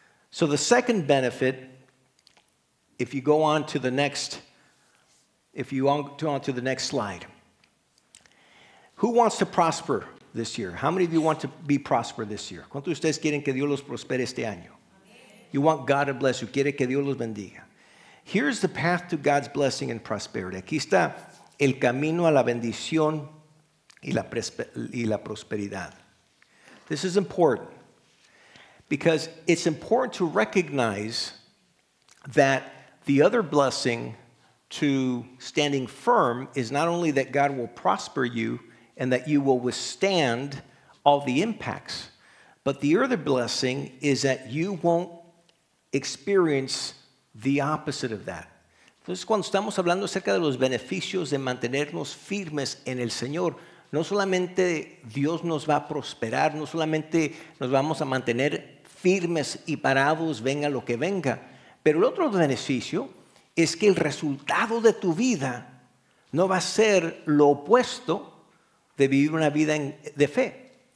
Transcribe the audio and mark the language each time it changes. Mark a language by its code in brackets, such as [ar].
[en] So the second benefit, if you go on to the next, if you go on to the next slide, who wants to prosper this year? How many of you want to be prosper this year? [es] ¿Cuántos de ustedes quieren que Dios los prospere este año? [en] You want God to bless you. [es] Quiere que Dios los bendiga. [en] Here's the path to God's blessing and prosperity. [es] Aquí está el camino a la bendición y la prosperidad. [en] This is important because it's important to recognize that the other blessing to standing firm is not only that God will prosper you and that you will withstand all the impacts, but the other blessing is that you won't experience the opposite of that. [es] Entonces, cuando estamos hablando acerca de los beneficios de mantenernos firmes en el Señor, no solamente Dios nos va a prosperar, no solamente nos vamos a mantener firmes y parados, venga lo que venga, pero el otro beneficio es que el resultado de tu vida no va a ser lo opuesto de vivir una vida de fe.